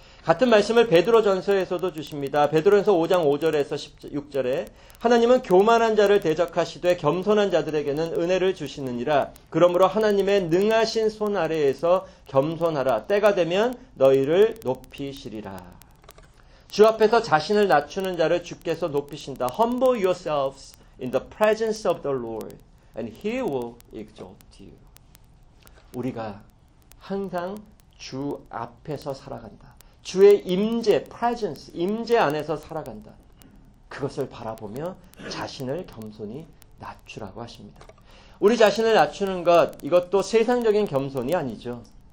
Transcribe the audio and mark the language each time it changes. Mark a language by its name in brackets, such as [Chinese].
[Korean] 같은 말씀을 베드로전서에서도 주십니다. 베드로전서 5장 5절에서 6절에 하나님은 교만한 자를 대적하시되 겸손한 자들에게는 은혜를 주시느니라. 그러므로 하나님의 능하신 손 아래에서 겸손하라. 때가 되면 너희를 높이시리라. 주 앞에서 자신을 낮추는 자를 주께서 높이신다. [English] Humble yourselves in the presence of the Lord and he will exalt you. [Korean] 우리가 항상 주 앞에서 살아간다. 주의 임재, presence, 임재 안에서 살아간다. 그것을 바라보며 자신을 겸손히 낮추라고 하십니다. 우리 자신을 낮추는 것, 이것도 세상적인 겸손이 아니죠.